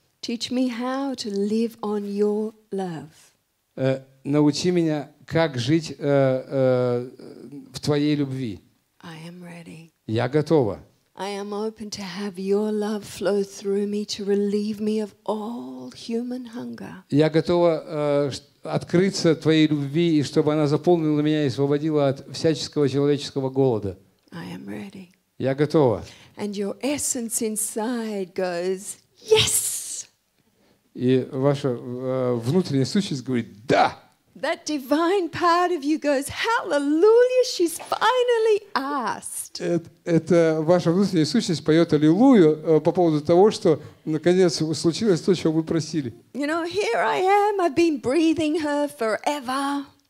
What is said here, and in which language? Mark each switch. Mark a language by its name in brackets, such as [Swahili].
[English] Teach me how to live on your love. [Russian] Научи меня, как жить в твоей любви. [English] I am ready. [Russian] Я готова. [English] I am open to have your love flow through me to relieve me of all human hunger. [Russian] Я готова открыться твоей любви, и чтобы она заполнила меня и освободила от всяческого человеческого голода. [English] I am ready. [Russian] Я готова. [English] And your essence inside goes, yes! [Russian] И ваша внутренняя сущность говорит «Да!» [English] That divine part of you goes, hallelujah, she's finally asked. [Russian] Это ваша внутренняя сущность поет аллилуйю по поводу того, что наконец случилось то, чего вы просили. [English] You know, here I am, I've been breathing her forever.